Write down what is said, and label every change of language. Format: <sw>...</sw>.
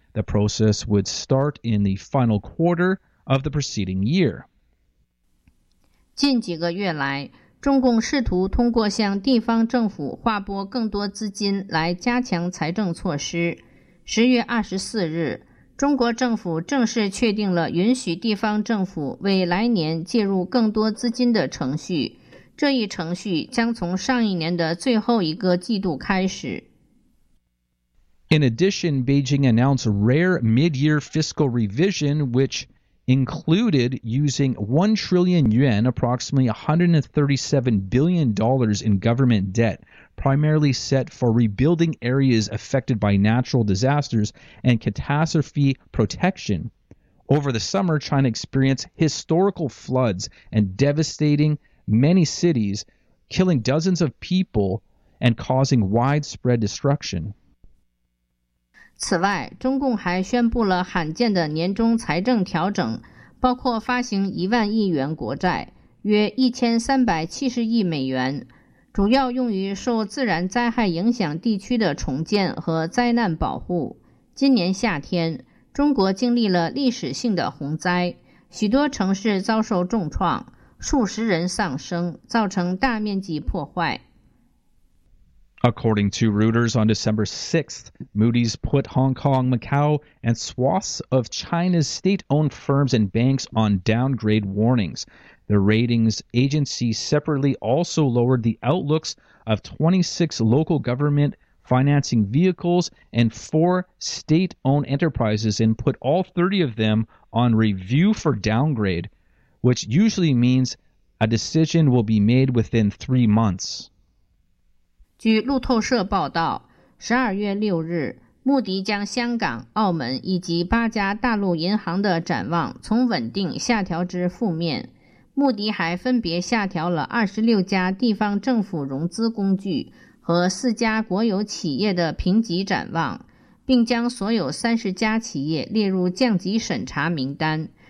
<en>The process would start in the final quarter of the preceding year.</en> <zh>近几个月来，中共试图通过向地方政府划拨更多资金来加强财政措施。 10月24日，中国政府正式确定了允许地方政府为来年介入更多资金的程序。这一程序将从上一年的最后一个季度开始。</zh> <en>In addition, Beijing announced rare mid-year fiscal revision, which included using 1 trillion yuan, approximately $137 billion in government debt, primarily set for rebuilding areas affected by natural disasters and catastrophe protection. Over the summer, China experienced historical floods and devastating many cities, killing dozens of people and causing widespread destruction.</en> <zh>此外，中共还宣布了罕见的年终财政调整，包括发行10,000亿元国债，约1370亿美元，主要用于受自然灾害影响地区的重建和灾难保护。今年夏天，中国经历了历史性的洪灾，许多城市遭受重创，数十人丧生，造成大面积破坏。</zh> <en>According to Reuters, on December 6th, Moody's put Hong Kong, Macau, and swaths of China's state-owned firms and banks on downgrade warnings. The ratings agency separately also lowered the outlooks of 26 local government financing vehicles and 4 state-owned enterprises and put all 30 of them on review for downgrade, which usually means a decision will be made within 3 months.</en> <zh>据路透社报道，12月6日，穆迪将香港、澳门以及八家大陆银行的展望从稳定下调至负面。穆迪还分别下调了26家地方政府融资工具和4家国有企业的评级展望，并将所有30家企业列入降级审查名单。</zh>